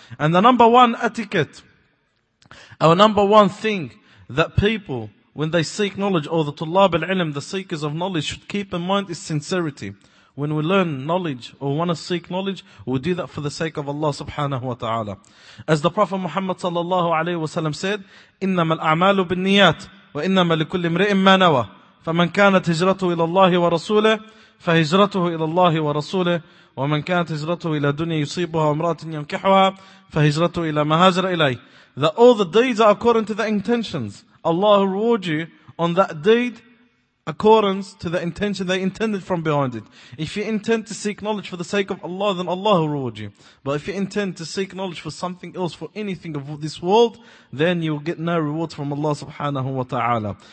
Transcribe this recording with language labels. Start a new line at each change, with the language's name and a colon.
English: And the number one etiquette, our number one thing that people, when they seek knowledge, or the tulab al-ilm, the seekers of knowledge, should keep in mind is sincerity. When we learn knowledge or want to seek knowledge, we do that for the sake of Allah subhanahu wa ta'ala. As the Prophet Muhammad sallallahu alayhi wa sallam said,
Arabic: إِنَّمَا الْأَعْمَالُ بِالنِّيَاتِ وَإِنَّمَا لِكُلِّ امْرِئٍ مَا نَوَى فَمَنْ كَانَتْ هِجْرَتُهُ إِلَى اللَّهِ وَرَسُولِهِ فَهِجْرَتُهُ إِلَى اللَّهِ وَرَسُولِهِ وَمَنْ كَانَتْ هِجْرَتُهُ إِلَى دُنْيَا يُصِيبُهَا وَامْرَأَةٍ يَنْكِحُهَا فَهِجْرَتُهُ إِلَى مَا هَاجَرَ إِلَيْهِ.
English: That all the deeds are according to the intentions. Allah will reward you on that deed according to the intention they intended from behind it. If you intend to seek knowledge for the sake of Allah, then Allah will reward you. But if you intend to seek knowledge for something else, for anything of this world, then you will get no rewards from Allah subhanahu wa ta'ala.